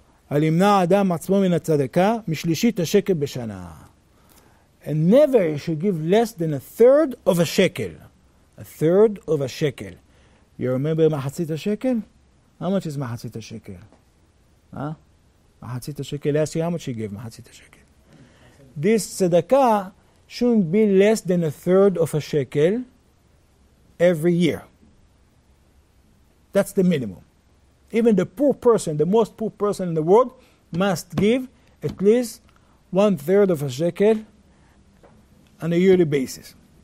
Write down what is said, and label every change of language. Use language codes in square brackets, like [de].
[he] על ימנע האדם עצמו מן הצדקה, משלישית השקל בשנה. [en] And never you should give less than a third of a shekel. A third of a shekel. You remember מחצית השקל? How much is מחצית השקל? מחצית השקל, last year, how much you give מחצית השקל? This צדקה shouldn't be less than a third of a shekel every year. That's the minimum. Even the poor person, the most poor person in the world, must give at least one third of a shekel on a yearly basis.